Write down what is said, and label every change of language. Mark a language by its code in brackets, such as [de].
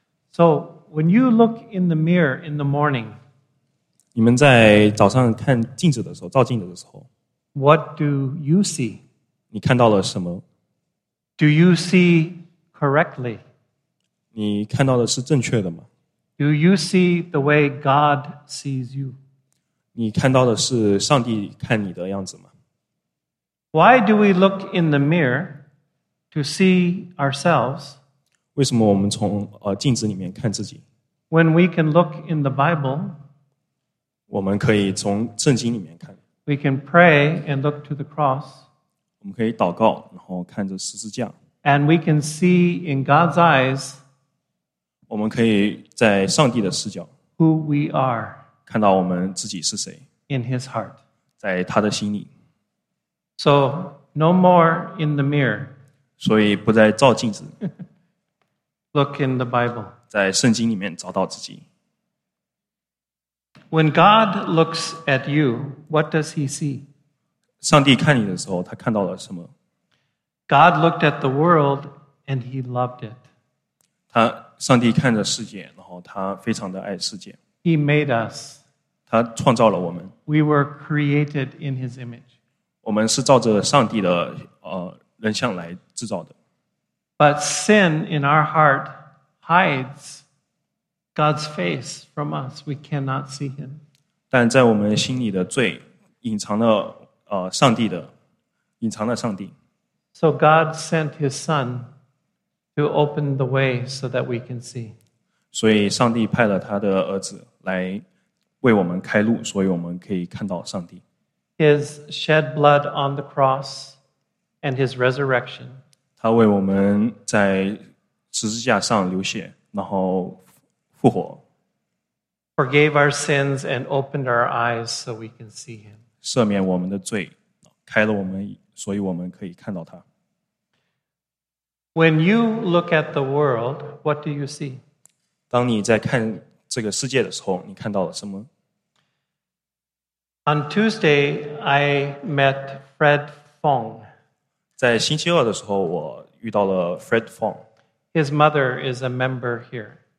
[en] So, when you look in the mirror in the morning, [zh] 你们在早上看镜子的时候，照镜子的时候， [en] What do you see? [zh] 你看到了什么？ [en] Do you see correctly? [zh] 你看到的是正确的吗？ [en] Do you see the way God sees you? [zh] 你看到的是上帝看你的样子吗？ [en] Why do we look in the mirror to see ourselves? [zh] 为什么我们从镜子里面看自己？ [en] When we can look in the Bible, [zh] 我们可以从圣经里面看。 [en] We can pray and look to the cross. [zh] 我们可以祷告，然后看着十字架。 [en] And we can see in God's eyes, [zh] 我们可以在上帝的视角， [en] who we are, [zh] 看到我们自己是谁。 [en] In His heart, [zh] 在他的心里。 [en] So, no more in the mirror. [zh] 所以不再照镜子。 [en] Look in the Bible. [zh] 在圣经里面找到自己。 [en] When God looks at you, what does he see? [zh] 上帝看你的时候，他看到了什么？ [en] God looked at the world and he loved it. [zh] 上帝看着世界，然后他非常的爱世界。 [en] He made us. [zh] 他创造了我们。 [en] We were created in his image. [zh] 我们是照着上帝的人像来制造的。 [en] But sin in our heart hides God's face from us. We cannot see him. [zh] 但在我们心里的罪隐藏了上帝的隐藏了上帝。 [en] So God sent his son to open the way so that we can see. [zh] 所以上帝派了他的儿子来为我们开路，所以我们可以看到上帝。 [en] His shed blood on the cross and his resurrection. [zh] 他为我们在十字架上流血，然后复活。 [en] Forgave our sins and opened our eyes so we can see him. [zh] 赦免我们的罪，开了我们，所以我们可以看到他。 [en] When you look at the world, what do you see? [zh] 当你在看这个世界的时候，你看到了什么？ [en] On Tuesday, I met Fred Fong. [zh] 在星期二的时候，我遇到了 Fred Fong. [en] His mother is a member here.